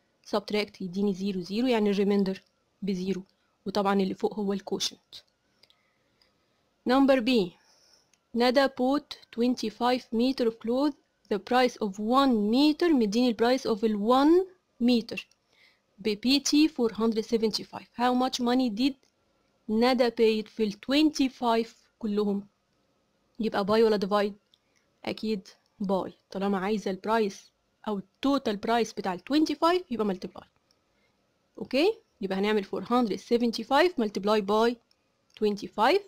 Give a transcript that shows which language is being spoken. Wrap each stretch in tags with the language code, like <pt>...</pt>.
<ar>subtract يديني 0 0 يعني الريميندر ب 0، وطبعا اللي فوق هو الكوشنت.</ar> <en>number b، ندى put 25 meter of cloth. the price of 1 meter،</en> <ar>مديني</ar> <en>price of 1 meter ب pt 475. how much money did</en> <ar>ندى</ar> <en>paid في ال 25</en> <ar>كلهم؟ يبقى باي ولا ديفايد؟ اكيد باي، طالما عايزه البرايس او التوتال برايس بتاع ال 25 يبقى ملتيبلاي. اوكي، يبقى هنعمل 475 ملتيبلاي باي 25.</ar>